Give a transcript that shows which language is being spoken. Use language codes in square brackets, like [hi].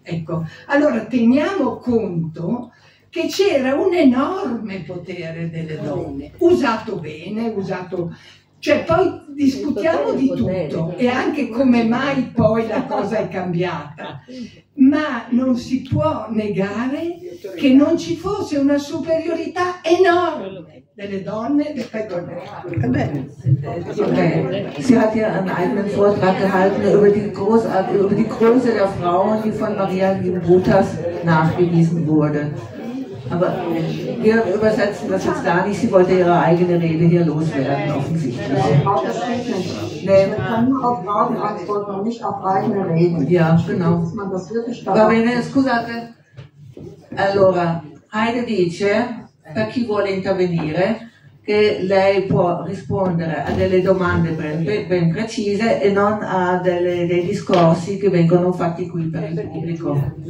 [it] Ecco, allora teniamo conto che c'era un enorme potere delle donne, usato bene, usato, cioè poi discutiamo di tutto e anche come mai poi la cosa è cambiata, ma non si può negare che non ci fosse una superiorità enorme delle donne rispetto alle donne. [de] Sie hat ja einen eigenen Vortrag gehalten über die Größe der Frauen, die von Maria Gimbutas nachgewiesen wurde. Aber wir übersetzen das jetzt gar nicht. Sie wollte ihre eigene Rede hier loswerden, offensichtlich. Nein, wir können nur auf Fragen antworten und nicht auf eigene Reden. Ja, genau. [it] Va bene, scusate. Allora, Heide dice, per chi vuole intervenire, che lei può rispondere a delle domande ben precise e non a dei discorsi che vengono fatti qui per il pubblico.